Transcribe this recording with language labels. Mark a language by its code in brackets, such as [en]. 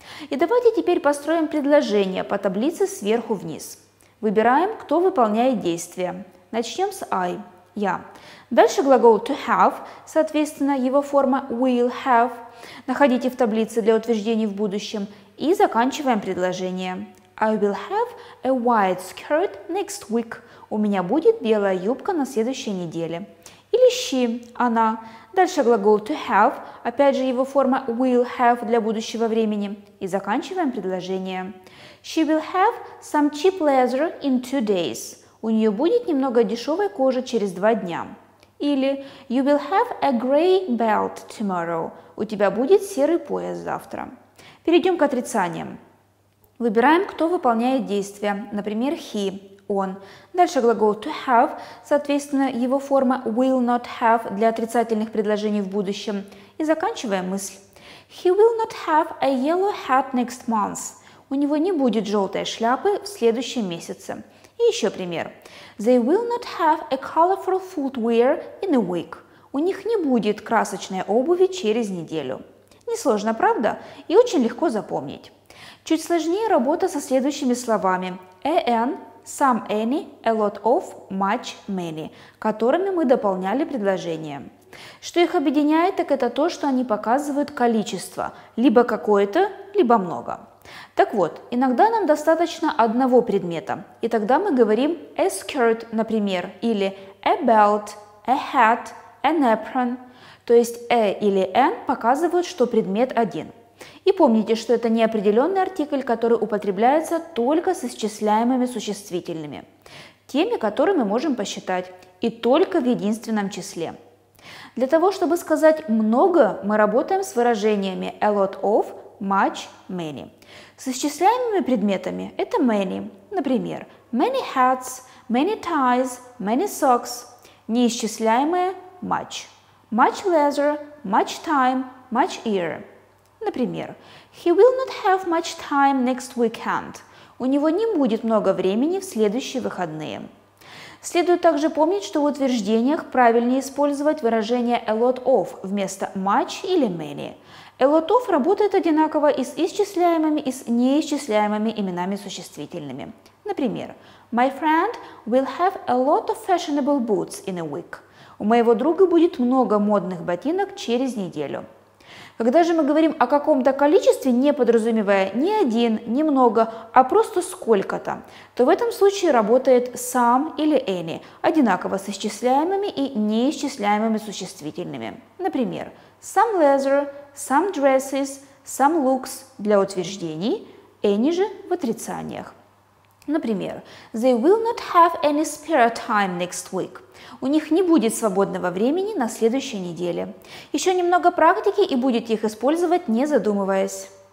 [ru] И давайте теперь построим предложение по таблице сверху вниз. Выбираем, кто выполняет действие. Начнем с I – я. Дальше глагол to have, соответственно, его форма will have. Находите в таблице для утверждений в будущем. И заканчиваем предложение. [en] I will have a white skirt next week. [ru] У меня будет белая юбка на следующей неделе. Или she – она. Дальше глагол to have, опять же его форма will have для будущего времени. И заканчиваем предложение. [en] She will have some cheap leather in 2 days. [ru] У нее будет немного дешевой кожи через 2 дня. Или [en] you will have a gray belt tomorrow. [ru] У тебя будет серый пояс завтра. Перейдем к отрицаниям. Выбираем, кто выполняет действие. Например, he. Он. Дальше глагол to have, соответственно, его форма will not have для отрицательных предложений в будущем. И заканчиваем мысль. [en] He will not have a yellow hat next month. [ru] У него не будет желтой шляпы в следующем месяце. И еще пример. [en] They will not have a colorful footwear in a week. [ru] У них не будет красочной обуви через неделю. Несложно, правда? И очень легко запомнить. Чуть сложнее работа со следующими словами. [en] An – some, any, a lot of, much, many, [ru] которыми мы дополняли предложение. Что их объединяет, так это то, что они показывают количество, либо какое-то, либо много. Так вот, иногда нам достаточно одного предмета, и тогда мы говорим a skirt, например, или a belt, a hat, an apron, то есть a или an показывают, что предмет один. И помните, что это неопределенный артикль, который употребляется только с исчисляемыми существительными, теми, которые мы можем посчитать, и только в единственном числе. Для того, чтобы сказать «много», мы работаем с выражениями a lot of, much, many. С исчисляемыми предметами это many, например, many hats, many ties, many socks, неисчисляемые – much. [en] Much leather, much time, much ear. [ru] Например, [en] he will not have much time next weekend. [ru] У него не будет много времени в следующие выходные. Следует также помнить, что в утверждениях правильнее использовать выражение a lot of вместо much или many. A lot of работает одинаково и с исчисляемыми, и с неисчисляемыми именами существительными. Например, [en] my friend will have a lot of fashionable boots in a week. [ru] У моего друга будет много модных ботинок через неделю. Когда же мы говорим о каком-то количестве, не подразумевая ни один, ни много, а просто сколько-то, то в этом случае работает some или any, одинаково с исчисляемыми и неисчисляемыми существительными. Например, some leather, some dresses, some looks для утверждений, any же в отрицаниях. Например, [en] they will not have any spare time next week. [ru] У них не будет свободного времени на следующей неделе. Еще немного практики и будете их использовать, не задумываясь.